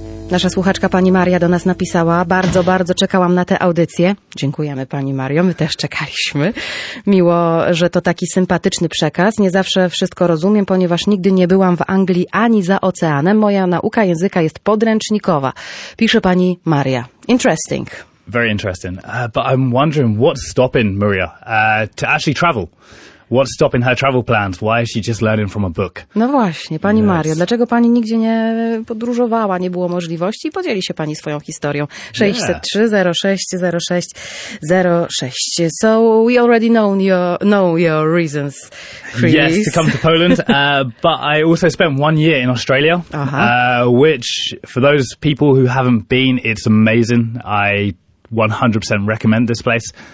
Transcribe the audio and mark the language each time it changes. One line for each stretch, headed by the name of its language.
Polish: Nasza słuchaczka pani Maria do nas napisała: bardzo, bardzo czekałam na tę audycję. Dziękujemy pani Mario, my też czekaliśmy. Miło, że to taki sympatyczny przekaz. Nie zawsze wszystko rozumiem, ponieważ nigdy nie byłam w Anglii ani za oceanem. Moja nauka języka jest podręcznikowa. Pisze pani Maria.
English: Interesting. Very interesting. But I'm wondering what's stopping Maria to actually travel. What's stopping her travel plans? Why is she just learning from a book?
Polish: No właśnie, pani Mario, dlaczego pani nigdzie nie podróżowała, nie było możliwości? Podzieli się pani swoją historią. 603-06-06-06.
English: So we already know your reasons, Chris. Yes, to come to Poland. But I also spent 1 year in Australia, which for those people who haven't been, it's amazing. I 100% recommend this place.